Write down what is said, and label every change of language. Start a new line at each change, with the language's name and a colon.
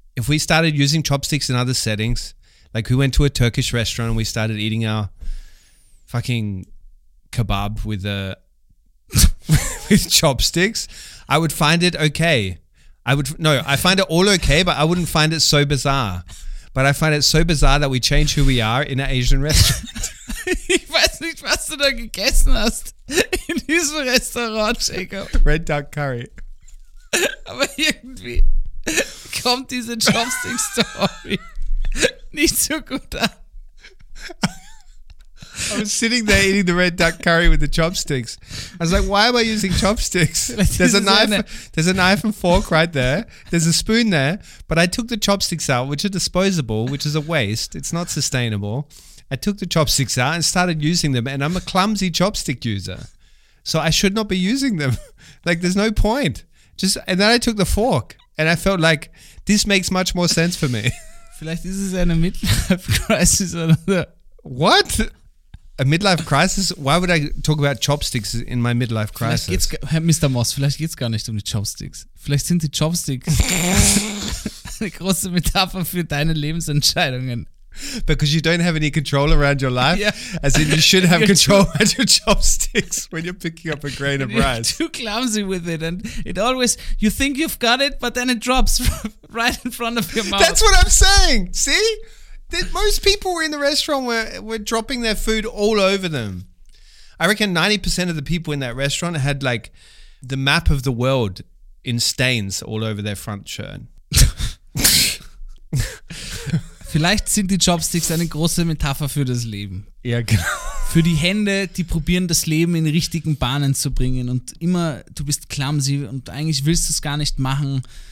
English: If we started using chopsticks in other settings, like we went to a Turkish restaurant and we started eating our fucking kebab with a with chopsticks, I would find it okay. I find it all okay, but I wouldn't find it so bizarre. But I find it so bizarre that we change who we are in an Asian restaurant.
German: Ich weiß nicht, was du da gegessen hast in diesem Restaurant, Jacob.
English: Red Duck Curry.
German: Aber irgendwie kommt diese Chopstick-Story nicht so gut an.
English: I was sitting there eating the red duck curry with the chopsticks. I was like, why am I using chopsticks? There's a knife and fork right there. There's a spoon there. But I took the chopsticks out, which are disposable, which is a waste. It's not sustainable. I took the chopsticks out and started using them. And I'm a clumsy chopstick user. So I should not be using them. Like, there's no point. Just, and then I took the fork. And I felt like this makes much more sense for me.
German: Vielleicht ist es eine midlife crisis.
English: What? A midlife crisis? Why would I talk about chopsticks in my midlife crisis?
German: Herr Mr. Moss, vielleicht geht's gar nicht um die Chopsticks. Vielleicht sind die Chopsticks eine große Metapher für deine Lebensentscheidungen.
English: Because you don't have any control around your life? Yeah. As in, you should have control around your chopsticks when you're picking up a grain of rice. You're too clumsy with it and it always, you think you've got it, but then it drops right in front of your mouth. That's what I'm saying, see? Most people were in the restaurant were dropping their food all over them. I reckon 90% of the people in that restaurant had like the map of the world in stains all over their front shirt.
German: Vielleicht sind die Chopsticks eine große Metapher für das Leben. Ja, genau. Für die Hände, die probieren, das Leben in richtigen Bahnen zu bringen. Und immer, du bist clumsy und eigentlich willst du es gar nicht machen.